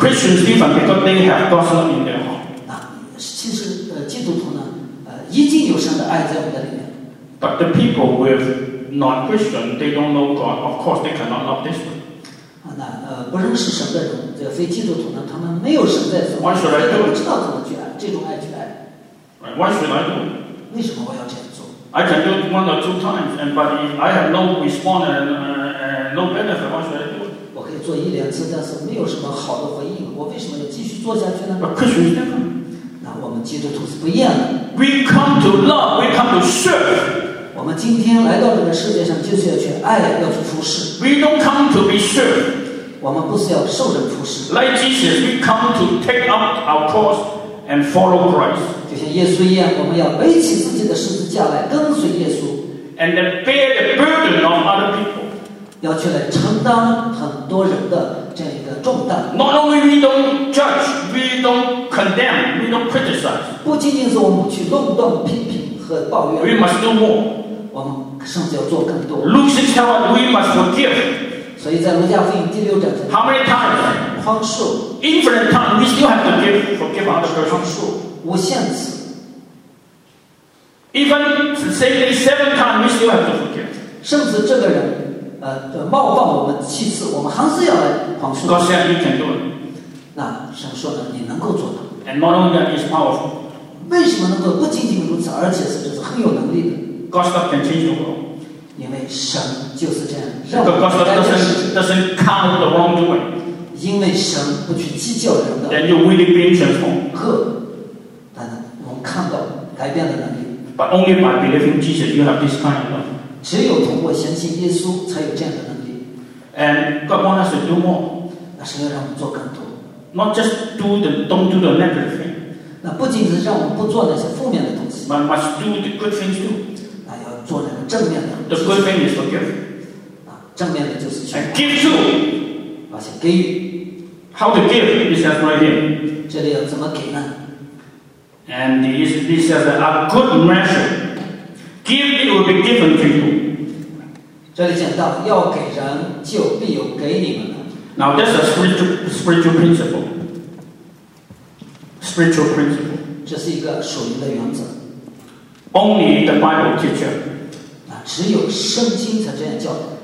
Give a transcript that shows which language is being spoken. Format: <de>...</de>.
<en>Christians different because they have God's love in their heart.</en> <zh>其实基督徒呢，已经有神的爱在我们的里面。</zh> <en>But the people with non-Christian, they don't know God. Of course, they cannot love this one.</en> <zh>不认识神的人，这非基督徒呢，他们没有神在所，所以不知道怎么去爱，这种爱去爱。</zh> <en>Right. What should I do?</en> <zh>为什么我要这样做</zh> <en>？I can do one or two times, and but if I have no response and no benefit, what should I do?</en> <zh>我可以做一两次，但是没有什么好的回应，我为什么要继续做下去呢</zh> <en>？But Christians never.</en> <zh>那我们基督徒是不一样的。</zh> <en>We come to love. We come to serve.</en> <zh>我们今天来到这个世界上，就是要去爱，要去服侍。</zh> <en>We don't come to be served.</en> <zh>我们不是要受人服侍。</zh> <en>Like Jesus, we come to take up our cross and follow Christ.</en> <zh>就像耶稣一样，我们要背起自己的十字架来跟随耶稣。</zh> <en>And then bear the burden of other people.</en> <zh>要去来承担很多人的这样一个重担。</zh> <en>Not only we don't judge, we don't condemn, we don't criticize.</en> <zh>不仅仅是我们去论断、批评。</zh> <en>We must do more.</en> <zh>我们甚至要做更多。</zh> <en>Luke tells us we must forgive.</en> <zh>所以在路加福音第六章。</zh> <en>How many times?</en> <zh>宽恕。</zh> <en>Infinite times. We still have to forgive other person.</en> <zh>宽恕无限次。</zh> <en>Even say it seven times. We still have to forgive.</en> <zh>甚至这个人冒犯我们七次，我们还是要来宽恕。</zh> <en>God said you can do it.</en> <zh>那神说的你能够做到。</zh> <en>And not only that, it's powerful.</en> <zh>为什么能够不仅仅如此，而且是就是很有能力的</zh> <en>？God's love can change the world.</en> <zh>因为神就是这样。</zh> <en>Because God's love doesn't count the wrong doing.</en> <zh>因为神不去计较人的。</zh> <en>Then you're willing to be transformed.</en> <zh>可，但是我们看到改变的能力。</zh> <en>But only by believing Jesus, you have this kind of love.</en> <zh>只有通过相信耶稣，才有这样的能力。</zh> <en>And God wants us to do more.</en> <zh>那是要让我们做更多。</zh> <en>Not just don't do the negative thing.</en> <zh>那不仅是让我们不做那些负面的东西</zh> <en>But must do the good things too</en> <zh>那要做那个正面的</zh> <en>The good thing is forgive</en> <zh>正面的就是</zh> <en>And give too</en> <zh>而且给予</zh> <en>How to give It says right here</en> <zh>这里要怎么给呢</zh> <en>And this says a good measure Give it will be given to you</en> <zh>这里讲到要给人就必有给你们</zh> <en>Now that's a spiritual principle. Spiritual principle.</en> <zh>这是一个属灵的原则。</zh> <en>Only the Bible teaches.</en> <zh>那只有圣经才这样教的。</zh>